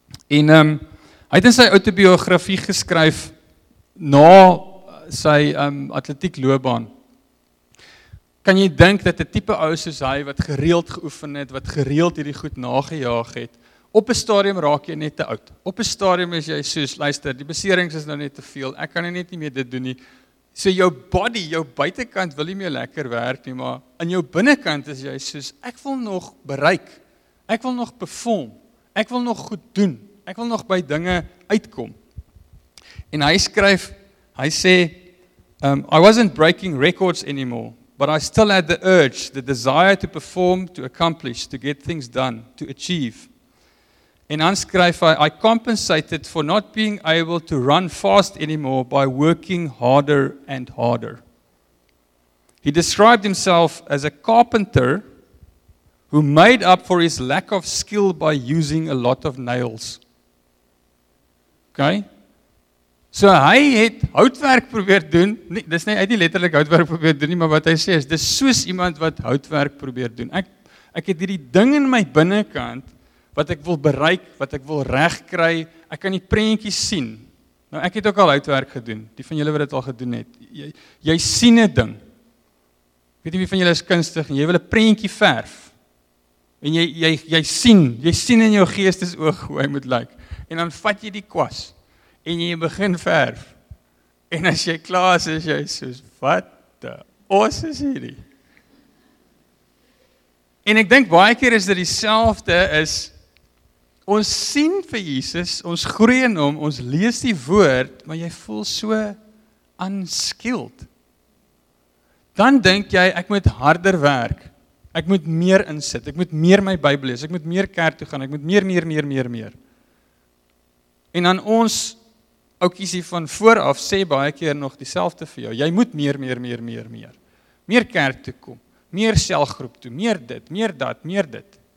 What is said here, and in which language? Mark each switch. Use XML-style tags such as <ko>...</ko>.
<af>En hy het in sy autobiografie geskryf na sy atletiek loopbaan. Kan jy dink dat 'n tipe ou soos hy wat gereeld geoefen het, wat gereeld hierdie goed nagejaag het, op 'n stadium raak jy net te oud. Op 'n stadium is jy soos, luister, die beserings is nou net te veel, ek kan nie net nie meer dit doen nie. So jou body, jou buitenkant wil nie meer lekker werk nie, maar in jou binnenkant is jy soos, ek wil nog bereik, ek wil nog perform, ek wil nog goed doen, ek wil nog by dinge uitkom. En hy skryf, hy sê,</af> <en>I wasn't breaking records anymore, but I still had the urge, the desire to perform, to accomplish, to get things done, to achieve.</en> <af>En dan skryf hy,</af> <en>I compensated for not being able to run fast anymore by working harder and harder. He described himself as a carpenter who made up for his lack of skill by using a lot of nails. Okay?</en> <af>So hy het houtwerk probeer doen, nie, dis nie uit die letterlik houtwerk probeer doen nie, maar wat hy sê is, dis soos iemand wat houtwerk probeer doen. Ek het hierdie ding in my binnenkant, wat ek wil bereik, wat ek wil reg kry, ek kan die prentjie sien. Nou, ek het ook al houtwerk gedoen, die van julle wat het al gedoen het. Jy sien een ding. Weet nie wie van julle is kunstig, jy wil een prentjie verf. En jy sien in jou geestesoog hoe hy moet lyk. En dan vat jy die kwas, en jy begin verf. En as jy klaar is, is jy soos, wat de os is hierdie? En ek denk, baie keer is dit dieselfde is, ons sien vir Jesus, ons groei in hom, ons lees die woord, maar jy voel so unskilled. Dan denk jy, ek moet harder werk, ek moet meer insit, ek moet meer my Bybel lees, ek moet meer kerk toe gaan, ek moet meer. En dan ons, ook kies van vooraf, sê baie keer nog dieselfde vir jou, jy moet meer. Meer kerk toe kom, meer selgroep toe, meer dit.</af>